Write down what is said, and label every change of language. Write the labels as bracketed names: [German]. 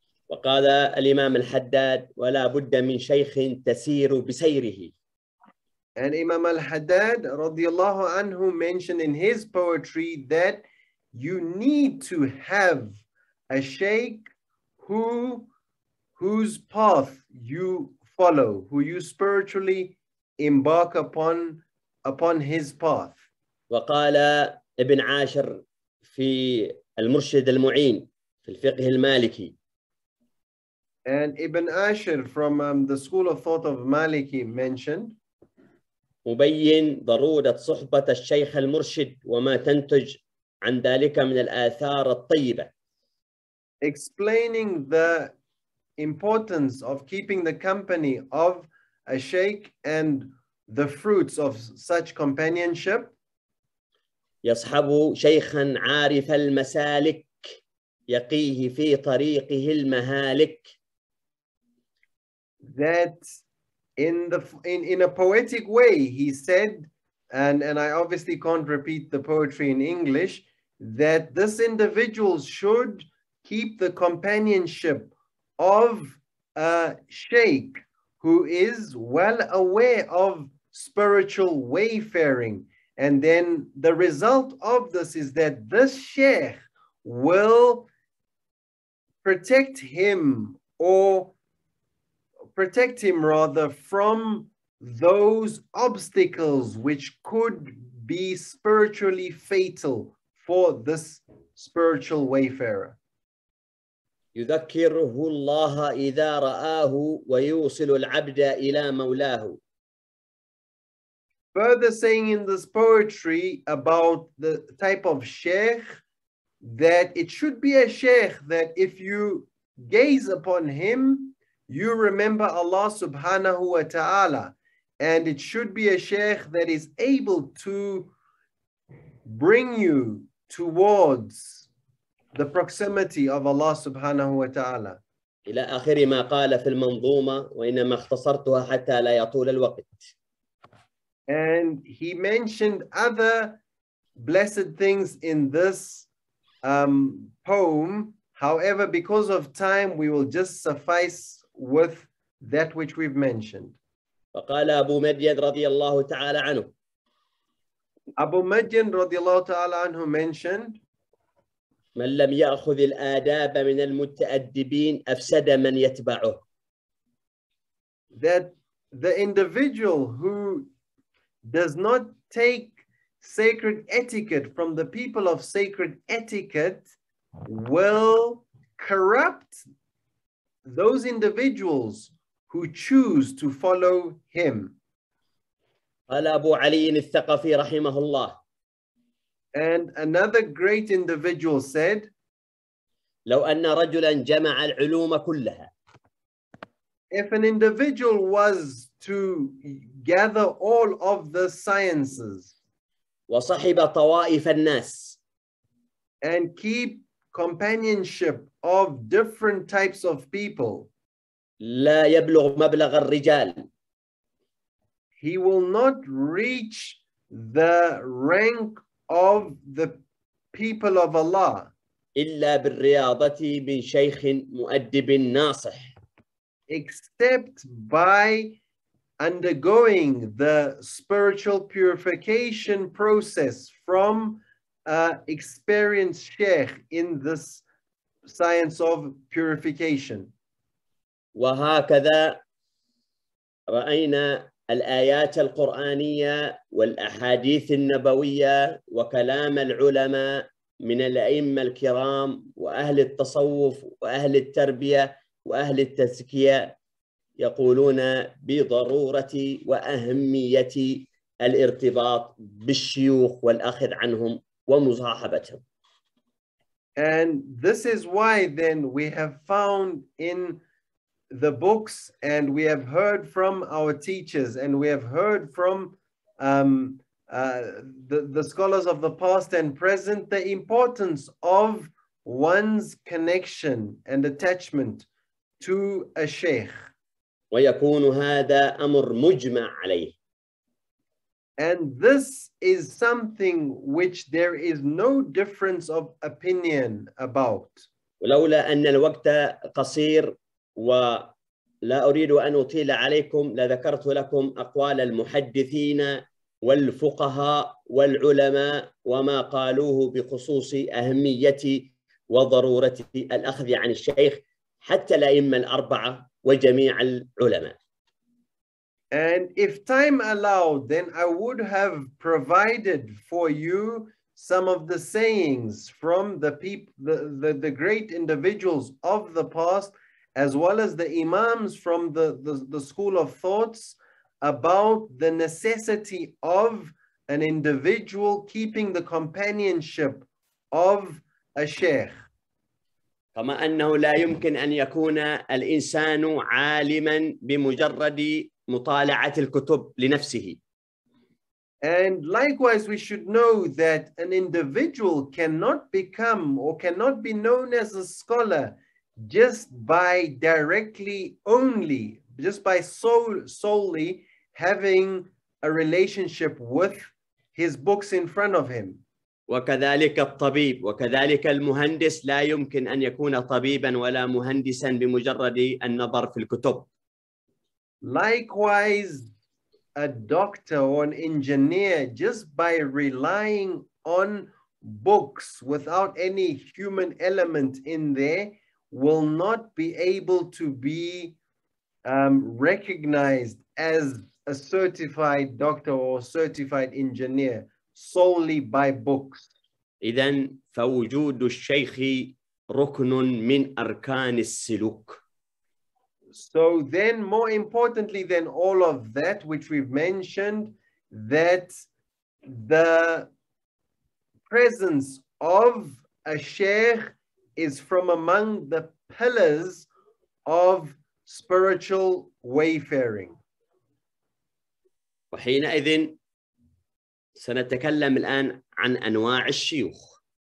[Arabic] وقال الإمام الحداد ولا بد من شيخ تسير بسيره. [English] And Imam al-Haddad [Arabic] رضي الله عنه [English] mentioned in his poetry that you need to have a sheikh whose path you follow, who you spiritually embark upon his path. [Arabic] وقال ابن عاشر في المرشد المعين في الفقه المالكي. [English] And Ibn Ashir from the school of thought of Maliki mentioned [Arabic] مبين ضرورة صحبه الشيخ المرشد وما تنتج عن ذلك من الآثار الطيبة. [English] Explaining the importance of keeping the company of a sheikh and the fruits of such companionship. [Arabic] يصحب شيخا عارف المسالك يقيه في طريقه المهالك. [English] That in a poetic way he said, and I obviously can't repeat the poetry in English, that this individual should keep the companionship of a sheikh who is well aware of spiritual wayfaring, and then the result of this is that this sheikh will protect him rather from those obstacles which could be spiritually fatal for this spiritual wayfarer. [Arabic] يذكره الله إذا رآه ويوصل العبد إلى مولاه. [English] Further saying in this poetry about the type of sheikh, that it should be a sheikh that if you gaze upon him, you remember Allah subhanahu wa ta'ala, and it should be a sheikh that is able to bring you towards the proximity of Allah subhanahu wa ta'ala. [Arabic] إلى آخر ما قال في المنظومة وإنما اختصرتها حتى لا يطول الوقت. [English] And he mentioned other blessed things in this poem. However, because of time, we will just suffice with that which we've mentioned. [Arabic] وقال أبو مدين رضي الله تعالى عنه. أبو مدين رضي الله تعالى عنه [English] mentioned. [Arabic] من لم يأخذ الآداب من المتأدبين أفسد من يتبعه. [English] That the individual who does not take sacred etiquette from the people of sacred etiquette will corrupt those individuals who choose to follow him. [Arabic] قال أبو علي الثقفي رحمه الله. [English] And another great individual said, [Arabic] لو أن رجلا جمع العلوم كلها. [English] If an individual was to gather all of the sciences, [Arabic] وصحب طوائف الناس, [English] and keep companionship of different types of people, [Arabic] لا يبلغ مبلغ الرجال. [English] He will not reach the rank of the people of Allah. [Arabic] إلا بالرياضة من شيخ مؤدب ناصح. [English] Except by undergoing the spiritual purification process from experienced sheikh in this science of purification. [Arabic] وهكذا رأينا الآيات القرآنية والأحاديث النبوية وكلام العلماء من الأئمة الكرام وأهل التصوف وأهل التربية وأهل التزكية يقولون بضرورة وأهمية الارتباط بالشيوخ والأخذ عنهم ومصاحبتهم. [English] And this is why then we have found in the books, and we have heard from our teachers, and we have heard from the scholars of the past and present, the importance of one's connection and attachment to a sheikh. [Arabic] ويكون هذا أمر مجمع عليه. [English] And this is something which there is no difference of opinion about. [Arabic] ولولا أن الوقت قصير ولا أريد أن أطيل عليكم لذكرت لكم أقوال المحدثين والفقهاء والعلماء وما قالوه بخصوص أهمية وضرورة الأخذ عن الشيخ حتى الأئمة الأربعة وجميع العلماء. [English] And if time allowed, then I would have provided for you some of the sayings from the people, the great individuals of the past, as well as the imams from the school of thoughts about the necessity of an individual keeping the companionship of a sheikh. [Arabic] كما أنه لا يمكن أن يكون الإنسان عالماً بمجرد مطالعة الكتب لنفسه. [English] And likewise, we should know that an individual cannot become or cannot be known as a scholar just by directly only, just by solely having a relationship with his books in front of him. [Arabic] وكذلك الطبيب وكذلك المهندس لا يمكن أن يكون طبيباً ولا مهندساً بمجرد النظر في الكتب. [English] Likewise, a doctor or an engineer, just by relying on books without any human element in there, will not be able to be recognized as a certified doctor or certified engineer solely by books. [Arabic] إذن فوجود الشيخ ركن من أركان السلوك. [English] So then, more importantly than all of that, which we've mentioned, that the presence of a sheikh is from among the pillars of spiritual wayfaring. [Arabic] وحينئذ سنتكلم الآن عن أنواع الشيوخ.